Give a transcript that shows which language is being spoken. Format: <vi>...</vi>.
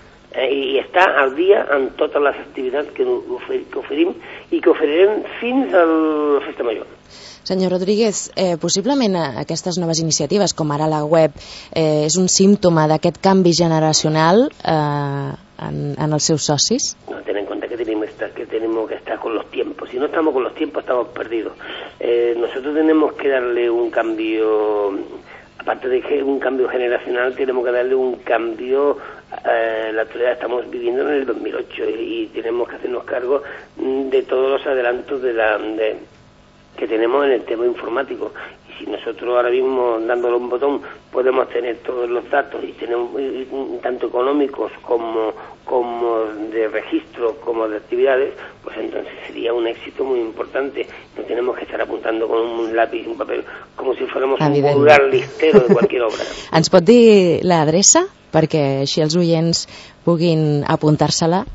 <ca>I està al dia en totes les activitats que oferim i que oferirem fins a la Festa Major. Senyor Rodríguez, possiblement aquestes noves iniciatives, com ara la web, és un símptoma d'aquest canvi generacional en els seus socis? No, tenen en compte que tenim que estar</ca> <es>con los tiempos. Si no estamos con los tiempos, estamos perdidos. Nosotros tenemos que darle un cambio. Aparte de que un cambio generacional, tenemos que darle un cambio. La actualidad estamos viviendo en el 2008 y tenemos que hacernos cargo de todos los adelantos que tenemos en el tema informático. Y si nosotros ahora mismo, dándole un botón, podemos tener todos los datos, y tenemos tanto económicos como de registro, como de actividades, pues entonces sería un éxito muy importante. No tenemos que estar apuntando con un lápiz y un papel, como si fuéramos un vulgar listero de cualquier obra.</es> <ca>¿Ens pot dir l'adreça? Perquè així els oients puguin apuntar-se-la.</ca>